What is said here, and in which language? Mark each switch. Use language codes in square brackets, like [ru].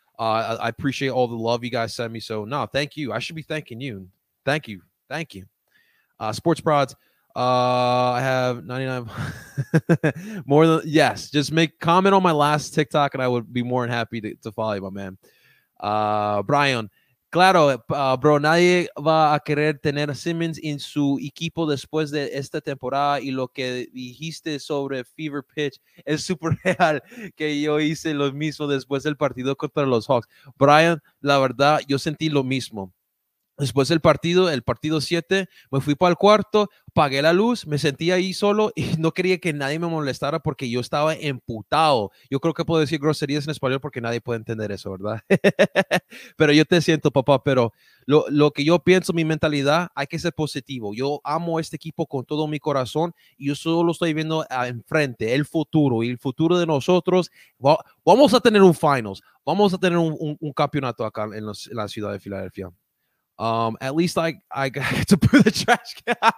[en] I appreciate all the love you guys send me. So, no, thank you. I should be thanking you. Thank you. Thank you. Sports prods. I have 99 more than yes. Just make comment on my last TikTok and I would be more than happy to follow you, my man. [es] Brian. Claro, bro. Nadie va a querer tener a Simmons en su equipo después de esta temporada. Y lo que dijiste sobre fever pitch es super real. Que yo hice lo mismo después del partido contra los Hawks. Brian, la verdad, yo sentí lo mismo. Después del partido, el partido 7, me fui para el cuarto, pagué la luz, me sentí ahí solo y no quería que nadie me molestara porque yo estaba emputado. Yo creo que puedo decir groserías en español porque nadie puede entender eso, ¿verdad? Pero yo te siento, papá, pero lo que yo pienso, mi mentalidad, hay que ser positivo. Yo amo este equipo con todo mi corazón y yo solo estoy viendo enfrente, el futuro y el futuro de nosotros. Vamos a tener un finals, vamos a tener un campeonato acá en la ciudad de Filadelfia. [en] At least I got to put the trash can.